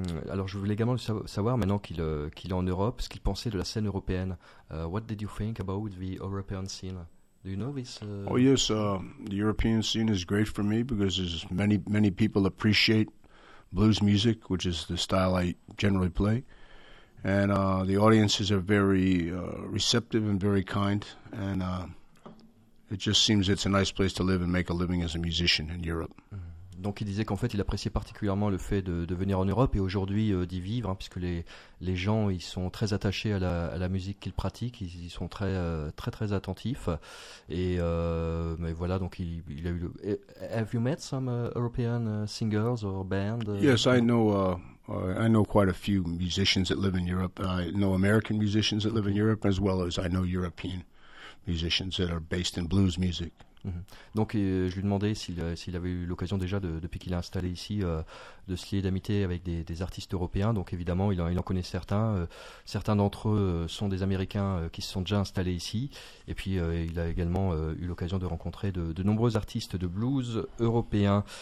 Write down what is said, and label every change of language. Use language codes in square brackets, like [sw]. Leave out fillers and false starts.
[fr] Alors je voulais également savoir maintenant qu'il est en Europe, ce qu'il pensait de la scène européenne. [en] What did you think about the European scene? Do you know this? Oh yes, the European scene is great for me because there's many people appreciate blues music, which is the style I generally play, and the audiences are very receptive and very kind, and it just seems it's a nice place to live and make a living as a musician in Europe. Mm-hmm. [fr] Donc il disait qu'en fait il appréciait particulièrement le fait de venir en Europe et aujourd'hui d'y vivre, hein, puisque les gens ils sont très attachés à la musique qu'ils pratiquent, ils sont très très très attentifs. Et mais voilà, donc il a eu le... [en] Have you met some European singers or band? Yes, I know quite a few musicians that live in Europe. I know American musicians that live in Europe as well as I know European musicians that are based in blues music. [fr] Donc je lui demandais s'il avait eu l'occasion déjà depuis qu'il est installé ici de se lier d'amitié avec des artistes européens. Donc évidemment il en connaît certains. Certains d'entre eux sont des Américains qui se sont déjà installés ici. Et puis il a également eu l'occasion de rencontrer de nombreux artistes de blues européens.